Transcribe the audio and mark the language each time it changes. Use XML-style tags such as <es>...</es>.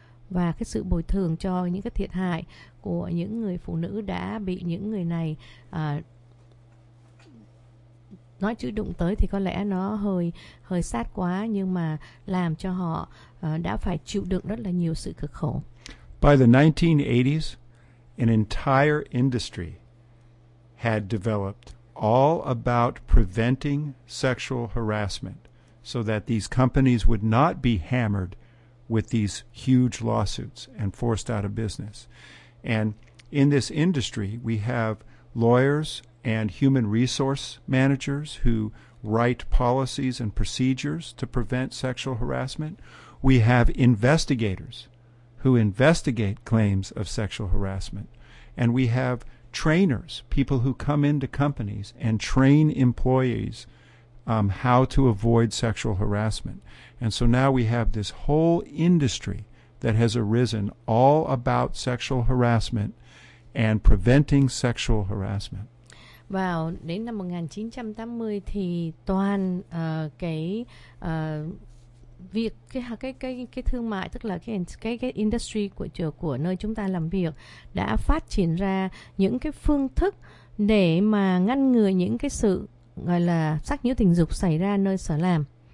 <vi>Và cái sự bồi thường cho những cái thiệt hại của những người phụ nữ đã bị những người này nói chữ đụng tới thì có lẽ nó hơi sát quá, nhưng mà làm cho họ đã phải chịu đựng rất là nhiều sự cực khổ.</vi> <en>By the 1980s, an entire industry had developed all about preventing sexual harassment so that these companies would not be hammered with these huge lawsuits and forced out of business. And in this industry, we have lawyers and human resource managers who write policies and procedures to prevent sexual harassment. We have investigators who investigate claims of sexual harassment. And we have trainers, people who come into companies and train employees how to avoid sexual harassment. And so now we have this whole industry that has arisen all about sexual harassment and preventing sexual harassment.</en> <vi>Vào đến năm 1980 thì toàn cái thương mại, tức là cái industry của nơi chúng ta làm việc đã phát triển ra những cái phương thức để mà ngăn ngừa những cái sự gọi là sắc nhiễu tình dục xảy ra nơi sở làm.</vi>